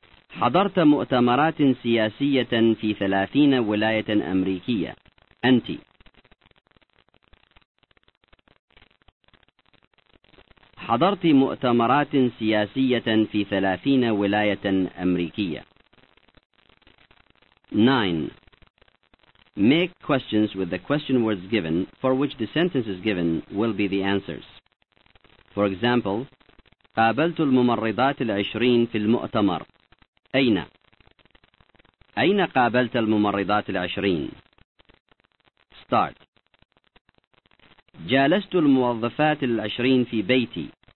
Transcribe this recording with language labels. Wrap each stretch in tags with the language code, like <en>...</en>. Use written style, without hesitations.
<ar>حضرت مؤتمرات سياسية في 30 ولاية أمريكية. أنت حضرت مؤتمرات سياسية في 30 ولاية أمريكية.</ar> <en>9. Make questions with the question words given for which the sentences given will be the answers.</en> <ar>For example, قابلت الممرضات العشرين في المؤتمر. أين؟ أين قابلت الممرضات العشرين؟ Start. جالست الموظفات العشرين في بيتي.</ar>